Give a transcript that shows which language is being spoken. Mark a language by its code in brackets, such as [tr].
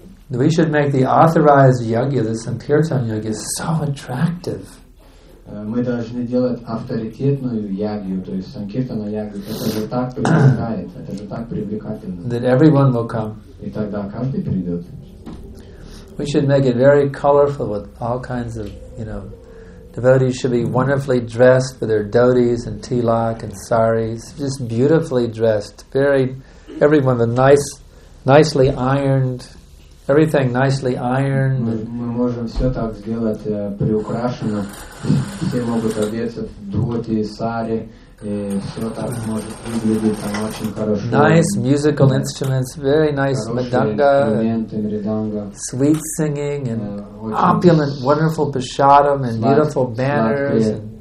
[en] We should make the authorized yagya, the Sankirtan yagya, so attractive. [ru] Мы должны делать авторитетную ягью, то есть санкиртана ягью. Это же так привлекательно. [en] That everyone will come. [ru] И тогда каждый придет. [en] We should make it very colorful with all kinds of, you know, devotees should be wonderfully dressed with their dhotis and tilak and saris, just beautifully dressed, very, everyone with nicely ironed. [ru] Мы можем все так сделать приукрашенно. Все могут одеться в дхоти, сари, и все так может выглядеть там очень хорошо. [en] Nice musical instruments, very nice madanga, sweet singing, and opulent, wonderful pashadam, and beautiful banners.